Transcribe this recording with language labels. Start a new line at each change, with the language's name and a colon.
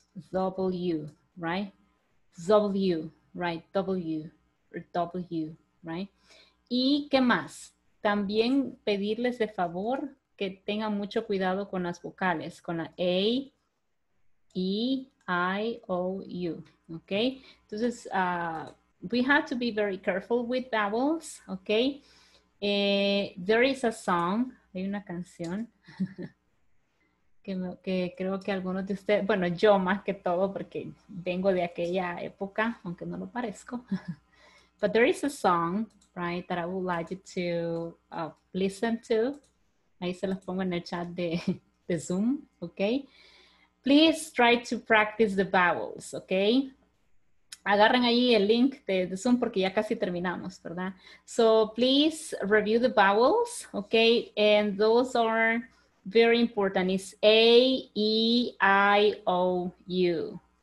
English: W, right? W, right? W, W, right?
Spanish: ¿Y qué más? También pedirles de favor que tengan mucho cuidado con las vocales, con la A, E, I, O, U, ¿ok?
English: Entonces, we have to be very careful with vowels, okay? There is a song,
Spanish: hay una canción, que creo que algunos de ustedes, bueno, yo más que todo, porque vengo de aquella época, aunque no lo parezco.
English: But there is a song, right, that I would like you to listen to.
Spanish: Ahí se los pongo en el chat de Zoom, okay?
English: Please try to practice the vowels, okay?
Spanish: Agarren ahí el link de Zoom porque ya casi terminamos, ¿verdad?
English: So please review the vowels, okay? And those are very important. It's A, E, I, O, U.